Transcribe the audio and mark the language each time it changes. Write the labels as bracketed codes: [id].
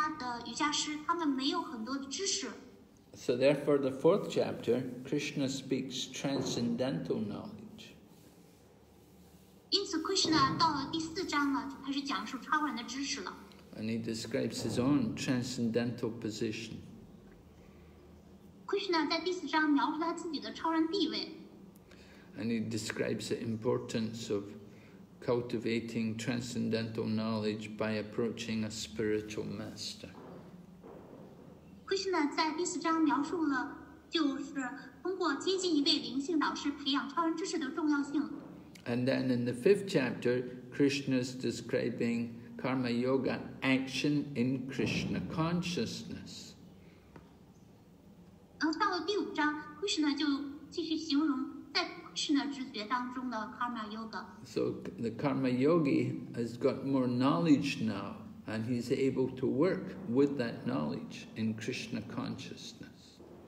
[zh] 活动瑜伽的瑜伽师，他们没有很多的知识。 [en] So therefore, the fourth chapter, Krishna speaks transcendental knowledge. [zh] 因此 ，Krishna 到了第四章呢，就开始讲述超然的知识了。 [en] And he describes his own transcendental position. [zh] Krishna 在第四章描述他自己的超然地位。 [en] And he describes the importance of cultivating transcendental knowledge by approaching a spiritual master. [zh] Krishna 在第四章描述了，就是通过接近一位灵性导师，培养超然知识的重要性。 [en] And then in the fifth chapter, Krishna is describing Karma Yoga action in Krishna consciousness. [zh] 到了第五章，Krishna就继续形容。 [en] So the Karma Yogi has got more knowledge now, and he's able to work with that knowledge in Krishna consciousness.